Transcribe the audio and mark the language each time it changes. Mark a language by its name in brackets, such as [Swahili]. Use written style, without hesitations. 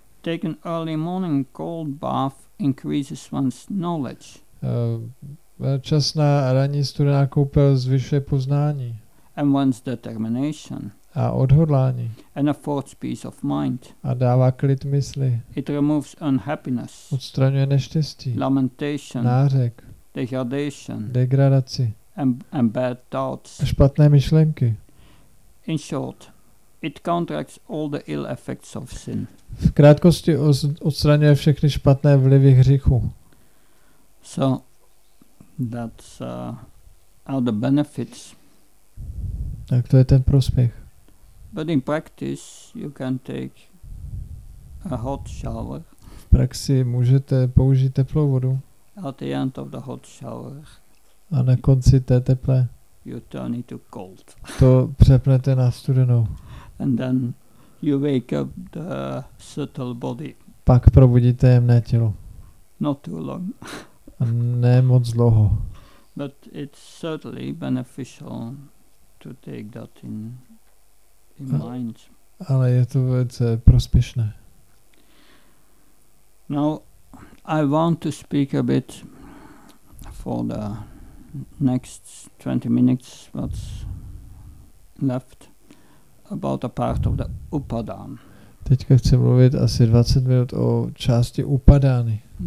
[English] Taking early morning cold bath increases one's knowledge. [Czech] Časná ranní studená koupel zvyšuje poznání. [English] And one's determination. [Czech] A odhodlání. [English] And a fourth peace of mind. [Czech] A dává klid mysli. [English] It removes unhappiness. [Czech] Odstraňuje neštěstí. [English] Lamentation. [Czech] Nářek. Degradaci [English] and bad thoughts. [Czech] A špatné myšlenky. [English] In short, it counteracts all the ill effects of sin. [Czech] V krátkosti odstraňuje všechny špatné vlivy hříchu. [English] So that's all the benefits. [Czech] Tak to je ten prospěch. [English] But in practice you can take a hot shower. [Czech] V praxi můžete použít teplou vodu. [English] At the end of the hot shower. [Czech] A na konci té teplé. [English] You turn it to cold. [Czech] To přepnete na studenou. [English] And then you wake up the subtle body. [Czech] Pak probudíte jemné tělo. [English] Not too long. [Czech] A ne moc dlouho. [English] But it's certainly beneficial to take that in mind. [Czech] Ale je to velice prospěšné. [English] Now I want to speak a bit for the next 20 minutes what's left about a part of the upadan. [Czech] Teďka chci mluvit asi 20 minut o části upadány.